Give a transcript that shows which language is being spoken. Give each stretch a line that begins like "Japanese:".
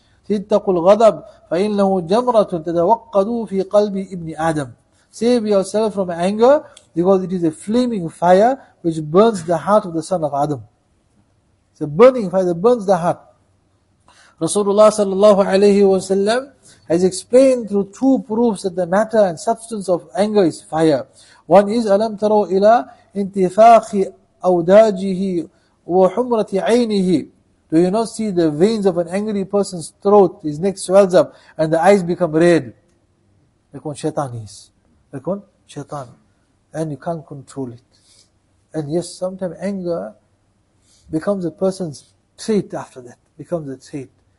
Arabic: اتقوا الغضب فإنه جمرة تتوقدوا في قلب ابن آدم.
English: Save yourself from anger because it is a flaming fire which burns the heart of the son of Adam. It's a burning fire that burns the heart. Rasulullah sallallahu alayhi wa sallam has explained through two proofs that the matter and substance of anger is fire. One is
Arabic: ألم تروا إلى انتفاخ أوداجه وحمرة عينه.
English: Do you not see the veins of an angry person's throat, his neck swells up, and the eyes become red? Like one shaitan is. Like one shaitan. And you can't control it. And yes, sometimes anger becomes a person's trait after that. Becomes a trait.